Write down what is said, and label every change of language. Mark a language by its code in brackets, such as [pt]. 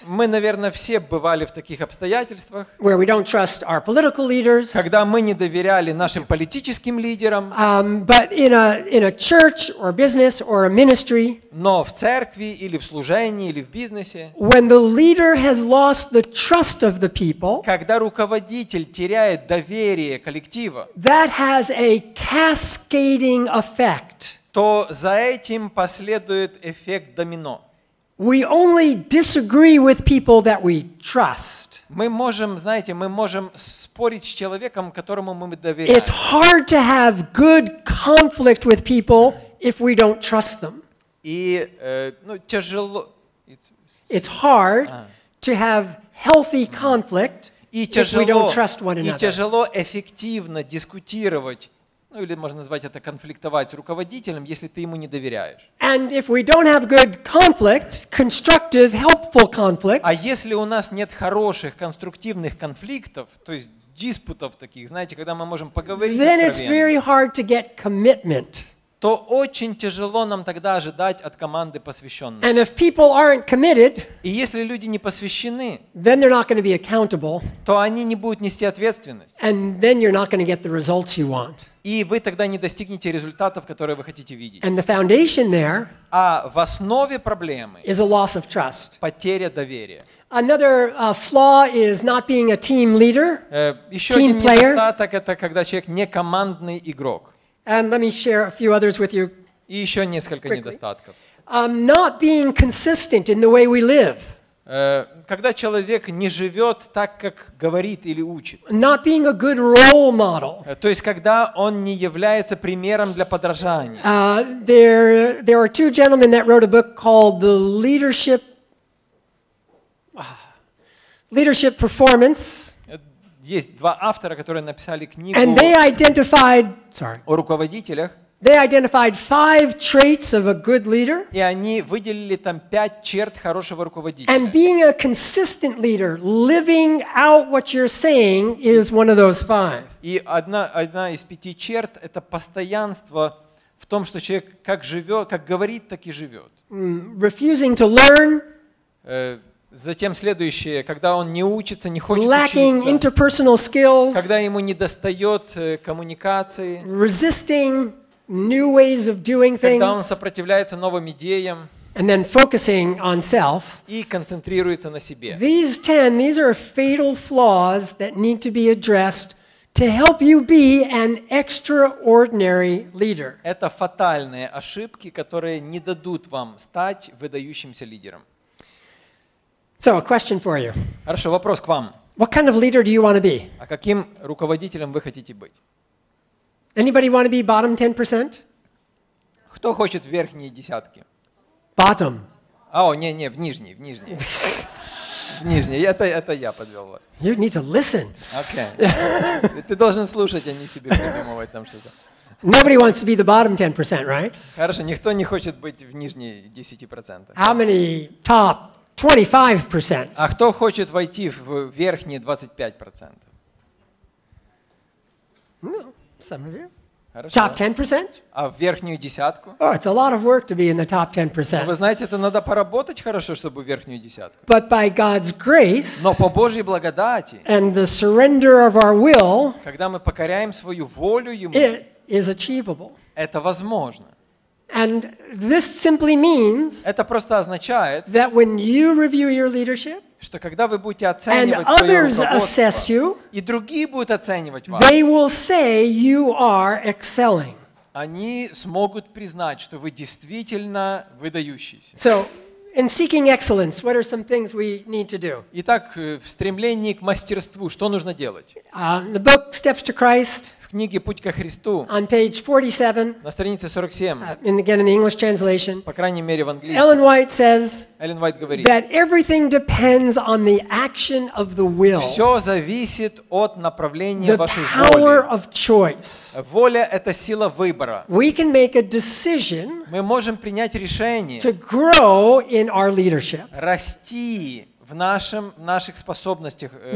[ru] Мы, наверное, все бывали в таких обстоятельствах. [en] Where we don't trust our political leaders. [ru] Когда мы не доверяли нашим политическим лидерам. [en] But in a church or business or a ministry. [ru] Но в церкви или в служении или в бизнесе. [en] When the leader has lost the trust of the people. [ru] Когда руководитель теряет доверие коллектива. [en] That has a cascading effect. [ru] То за этим последует эффект домино. [en] We only disagree with people that we trust. [ru] Мы можем, знаете, мы можем спорить с человеком, которому мы доверяем. [en] It's hard to have good conflict with people if we don't trust them. [ru] И ну, тяжело. [en] It's hard to have healthy conflict if we don't trust one another. [ru] И тяжело эффективно дискутировать. Ну или можно назвать это конфликтовать с руководителем, если ты ему не доверяешь. [en] And if we don't have good conflict, constructive, helpful conflict. [ru] А если у нас нет хороших конструктивных конфликтов, то есть диспутов таких, знаете, когда мы можем поговорить. [en] Then it's very hard to get commitment. [ru] То очень тяжело нам тогда ожидать от команды посвященности. [en] And if people aren't committed, [ru] и если люди не посвящены, [en] then they're not going to be accountable, [ru] то они не будут нести ответственность. [en] And then you're not going to get the results you want. [ru] И вы тогда не достигнете результатов, которые вы хотите видеть. [en] And the foundation there, [ru] а в основе проблемы [en] is a loss of trust. [ru] Потеря доверия. [en] Another flaw is not being a team leader, [ru] еще [en] team [ru] один [en] player. [ru] Недостаток – это когда человек не командный игрок. [en] And let me share a few others with you. [ru] И еще несколько недостатков. [en] Not being consistent in the way we live. [ru] Когда человек не живет так, как говорит или учит. [en] Not being a good role model. [ru] То есть когда он не является примером для подражания. [en] There are two gentlemen that wrote a book called The Leadership Performance. [ru] Есть два автора, которые написали книгу [en] And they identified, sorry. [ru] О руководителях. [en] They identified five traits of a good leader. [ru] И они выделили там пять черт хорошего руководителя. [en] And being a consistent leader, living out what you're saying, is one of those five. [ru] И одна из пяти черт – это постоянство в том, что человек как живет, как говорит, так и живет. [en] Refusing to learn. [ru] Затем следующее, когда он не учится, не хочет [en] Lacking [ru] учиться, [en] interpersonal skills, [ru] когда ему недостает коммуникации, [en] resisting new ways of doing things, [ru] когда он сопротивляется новым идеям [en] and then focusing on self, [ru] и концентрируется на себе. [en] These 10, these are fatal flaws that need to be addressed to help you be an extraordinary leader. [ru] Это фатальные ошибки, которые не дадут вам стать выдающимся лидером. [en] So, a question for you. [ru] Хорошо, вопрос к вам. [en] What kind of leader do you want to be? [ru] А каким руководителем вы хотите быть? [en] Anybody want to be bottom 10%? [ru] Кто хочет в верхние десятки? [en] Bottom. [ru] Не, в нижней. В нижней. Это я подвел вас. [en] You need to listen. Okay. [ru] Ты должен слушать, а не себе придумывать там что-то. [en] Nobody wants to be the bottom 10%, right? [ru] Хорошо, никто не хочет быть в нижней 10%. [en] How many top 25%. [ru] А кто хочет войти в верхние 25%? Ну, [en] some of you. [ru] Хорошо. [en] Top 10%? [ru] А в верхнюю десятку? [en] Oh, it's a lot of work to be in the top 10%. [ru] Но вы знаете, это надо поработать хорошо, чтобы в верхнюю десятку. [en] But by God's grace, [ru] но по Божьей благодати, [en] and the surrender of our will, [ru] когда мы покоряем свою волю Ему, [en] it is achievable. [ru] Это возможно. [en] And this simply means, [ru] это просто означает, [en] that when you review your leadership, [ru] что когда вы будете оценивать свое руководство, [en] you, [ru] и другие будут оценивать вас, [en] they will say you are excelling. [ru] Они смогут признать, что вы действительно выдающийся. [en] So, in seeking excellence, what are some things we need to do? [ru] Итак, в стремлении к мастерству, что нужно делать? [en] The book Steps to Christ. [ru] В книге «Путь ко Христу» [en] on page 47, [ru] на странице 47, [en] again in the English translation, [ru] по крайней мере в английском, [en] Эллен Уайт, says, [ru] Эллен Уайт говорит, [en] that everything depends on the action of the will. [ru] Все зависит от направления [en] the [ru] вашей [en] power [ru] воли. [en] Of choice. [ru] Воля – это сила выбора. [en] We can make a decision, [ru] мы можем принять решение, [en] to grow in our leadership. [ru] Расти в наших способностях